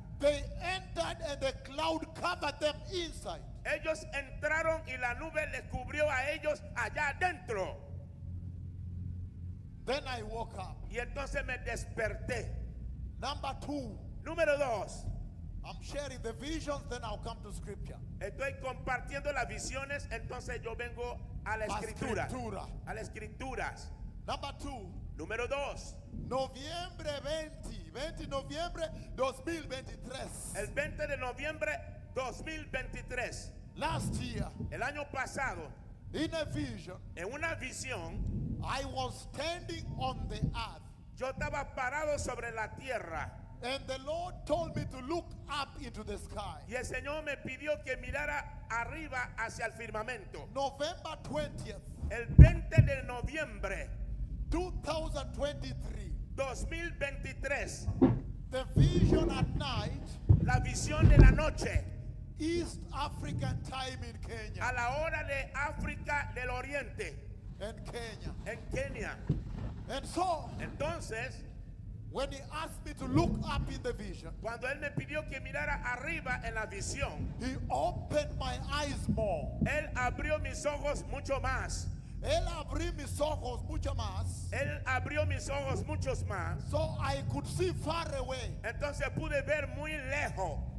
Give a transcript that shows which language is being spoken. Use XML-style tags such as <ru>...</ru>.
<en>they entered and the cloud covered them inside.</en> <es>Ellos entraron y la nube les cubrió a ellos allá adentro.</es> <en>Then I woke up.</en> <es>Y entonces me desperté.</es> <en>Number two.</en> <es>Número dos.</es> <en>I'm sharing the visions, then I'll come to scripture.</en> <es>Estoy compartiendo las visiones, entonces yo vengo a la escritura. A las escrituras.</es> <en>Number two.</en> <es>Número dos. Noviembre 20 de noviembre 2023. El 20 de noviembre 2023.</es> <en>Last year.</en> <es>El año pasado.</es> <en>In a vision.</en> <es>En una visión.</es> <en>I was standing on the earth.</en> <es>Yo estaba parado sobre la tierra.</es> <en>And the Lord told me to look up into the sky.</en> <es>Y el Señor me pidió que mirara arriba hacia el firmamento.</es> <en>November 20th.</en> <es>El 20 de noviembre. 2023. 2023.</es> <en>The vision at night.</en> <es>La visión de la noche.</es> <en>East African time in Kenya.</en> <es>A la hora de África del Oriente.</es> <en>In Kenya.</en> <es>En Kenia.</es> <en>And so.</en> <es>Entonces.</es> <en>When he asked me to look up in the vision.</en> <es>Cuando él me pidió que mirara arriba en la visión.</es> <en>He opened my eyes more.</en> <es>Él abrió mis ojos mucho más. Él abrió mis ojos mucho más. Él abrió mis ojos muchos más.</es> <en>So I could see far away.</en> <es>Entonces pude ver muy lejos.</es>